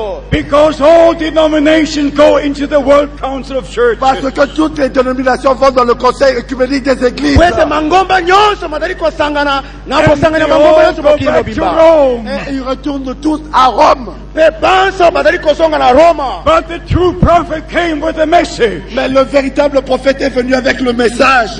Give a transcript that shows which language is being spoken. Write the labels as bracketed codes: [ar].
[en] Because all denominations go into the World Council of Churches. [fr] Parce que toutes les dénominations vont dans le Conseil œcuménique des Églises. Et ils retournent tous à Rome. [en] But the true prophet came with a message. [fr] Mais le véritable prophète est venu avec le message.